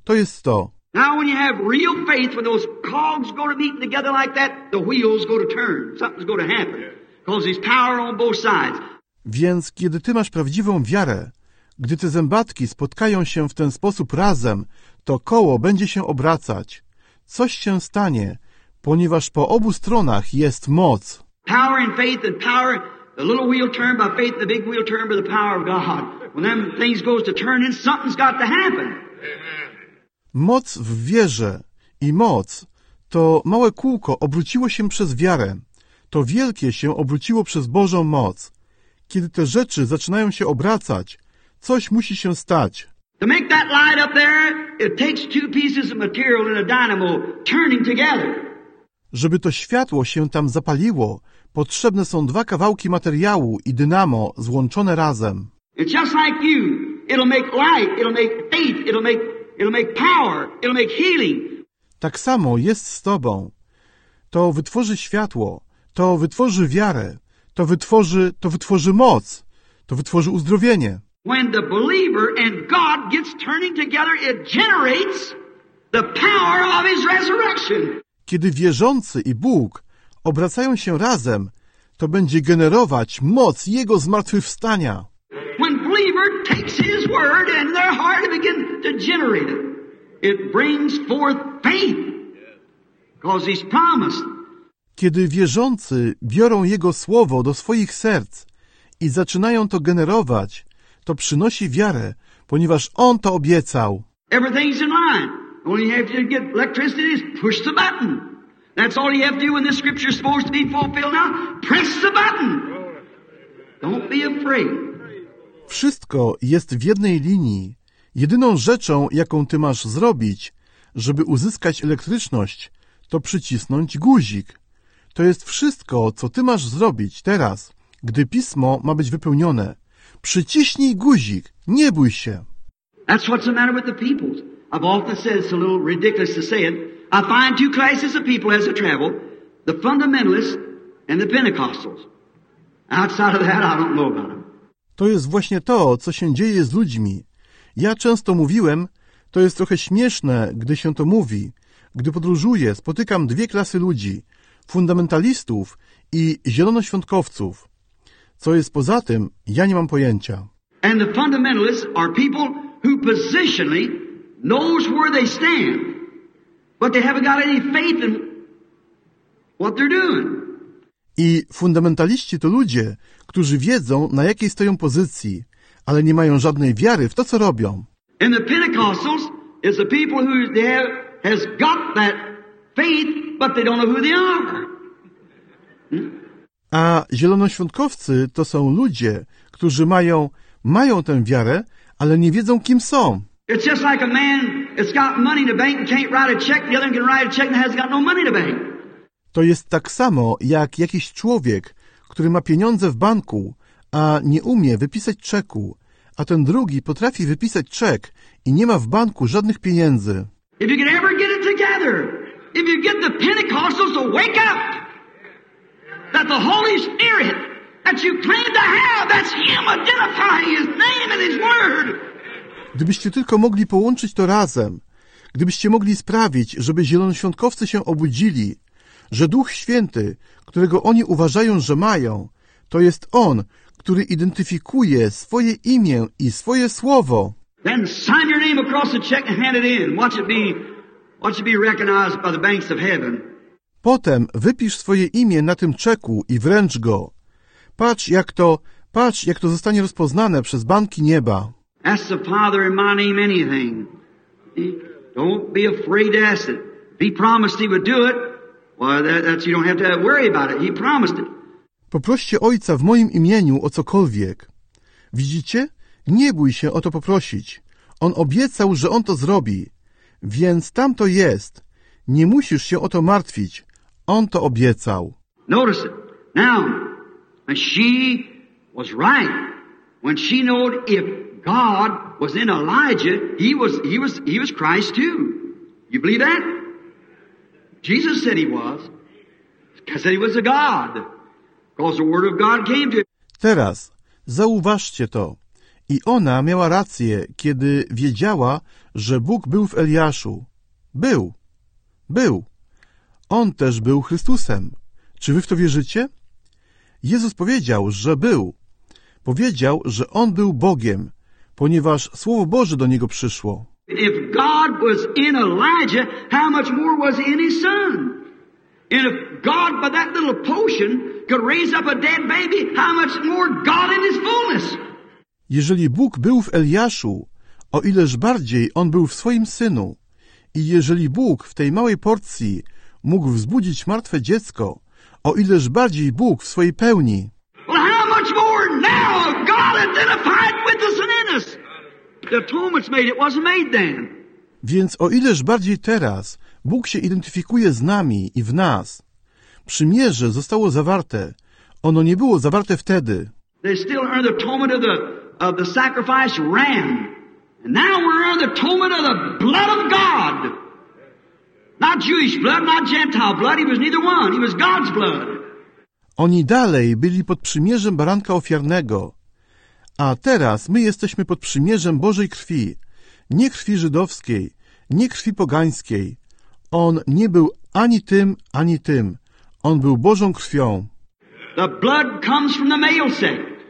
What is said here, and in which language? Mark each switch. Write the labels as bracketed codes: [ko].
[pl] To jest to. [en] Now when you have real faith, when those cogs go to meet together like that, the wheels go to turn. Something's going to happen. Because there's power on both sides. [pl] Więc kiedy ty masz prawdziwą wiarę, gdy te zębatki spotkają się w ten sposób razem, to koło będzie się obracać. Coś się stanie, ponieważ po obu stronach jest moc. [en] Power and faith and power, the little wheel turned by faith, the big wheel turned by the power of God. When them things goes to turn in, something's got to happen. [pl] Moc w wierze i moc to małe kółko obróciło się przez wiarę. To wielkie się obróciło przez Bożą moc. Kiedy te rzeczy zaczynają się obracać, coś musi się stać. [en] To make that light up there, it takes two pieces of material and a dynamo turning together. [pl] Żeby to światło się tam zapaliło, potrzebne są dwa kawałki materiału i dynamo złączone razem. [en] It's just like you. It'll make light, it'll make faith, it'll make power, it'll make healing. [pl] Tak samo jest z tobą. To wytworzy światło, to wytworzy wiarę, to wytworzy moc, to wytworzy uzdrowienie. [en] When the believer and God gets turning together, it generates the power of his resurrection. [pl] Kiedy wierzący i Bóg obracają się razem, to będzie generować moc Jego zmartwychwstania. [en] When believer takes his word and their heart begins to generate it, it brings forth faith, because he's promised. [pl] Kiedy wierzący biorą Jego słowo do swoich serc i zaczynają to generować, to przynosi wiarę, ponieważ On to obiecał. [en] Everything's in line. All you have to get electricity is push the button. That's all you have to do when this scripture is supposed to be fulfilled now. Press the button. Don't be afraid. [pl] Wszystko jest w jednej linii. Jedyną rzeczą, jaką ty masz zrobić, żeby uzyskać elektryczność, to przycisnąć guzik. To jest wszystko, co ty masz zrobić teraz, gdy pismo ma być wypełnione. Przyciśnij guzik, nie bój się. [en] That's what's the matter with the people. I've often said, it's a little ridiculous to say it, I find two classes of people as I travel, the fundamentalists and the Pentecostals. Outside of that, I don't know about them. [pl] To jest właśnie to, co się dzieje z ludźmi. Ja często mówiłem, to jest trochę śmieszne, gdy się to mówi. Gdy podróżuję, spotykam dwie klasy ludzi, fundamentalistów i zielonoświątkowców. Co jest poza tym, ja nie mam pojęcia. [en] And the fundamentalists are people who positionally knows where they stand, but they haven't got any faith in what they're doing. [pl] I fundamentaliści to ludzie, którzy wiedzą, na jakiej stoją pozycji, ale nie mają żadnej wiary w to, co robią. [en] And the Pentecostals is the people who have has got that faith, but they don't know who they are. [pl] A zielonoświątkowcy to są ludzie, którzy mają tę wiarę, ale nie wiedzą, kim są. [en] It's just like a man that's got money in the bank and can't write a check, the other can write a check and has got no money to bank. [pl] To jest tak samo jak jakiś człowiek, który ma pieniądze w banku, a nie umie wypisać czeku, a ten drugi potrafi wypisać czek i nie ma w banku żadnych pieniędzy. [en] If you can ever get it together, if you get the Pentecostals to wake up, that the Holy Spirit that you claim to have, that's him identifying his name and his word. [pl] Gdybyście tylko mogli połączyć to razem, gdybyście mogli sprawić, żeby zielonoświątkowcy się obudzili, że Duch Święty, którego oni uważają, że mają, to jest On, który identyfikuje swoje imię i swoje słowo. [en] Then sign your name across the check and hand it in. Watch it be recognized by the banks of heaven. [pl] Potem wypisz swoje imię na tym czeku i wręcz go. Patrz, jak to zostanie rozpoznane przez banki nieba. [en] Ask the Father in my name anything. Don't be afraid to ask it. If he promised he would do it, well, that's you don't have to worry about it. He promised it. [pl] Poproście Ojca w moim imieniu o cokolwiek. Widzicie? Nie bój się o to poprosić. On obiecał, że on to zrobi. Więc tam to jest. Nie musisz się o to martwić. On to obiecał. [en] Notice it. Now, she was right when she knew if God was in Elijah, he was Christ too. You believe that? Jesus said he was. Because he was a God. Because the word of God came to him. [pl] Teraz zauważcie to. I ona miała rację, kiedy wiedziała, że Bóg był w Eliaszu. Był. On też był Chrystusem. Czy wy w to wierzycie? Jezus powiedział, że był. powiedział, że on był Bogiem, ponieważ Słowo Boże do niego przyszło. [en] If God was in Elijah, how much more was in his son? And if God, by that little potion, could raise up a dead baby, how much more God in his fullness? [pl] Jeżeli Bóg był w Eliaszu, o ileż bardziej on był w swoim synu. I jeżeli Bóg w tej małej porcji mógł wzbudzić martwe dziecko, o ileż bardziej Bóg w swojej pełni. [en] Well, how much more now God identified with the sinners? The atonement's made, it wasn't made then. [pl] Więc o ileż bardziej teraz Bóg się identyfikuje z nami i w nas. Przymierze zostało zawarte. Ono nie było zawarte wtedy. [en] They still earn the atonement of the sacrifice ram. Now we're under the atonement of the blood of God. Not Jewish blood, not Gentile blood. He was neither one. He was God's blood. [pl] Oni dalej byli pod przymierzem baranka ofiarnego. A teraz my jesteśmy pod przymierzem Bożej krwi. Nie krwi żydowskiej, nie krwi pogańskiej. On nie był ani tym, ani tym. On był Bożą krwią. [en] The blood comes from the male sect.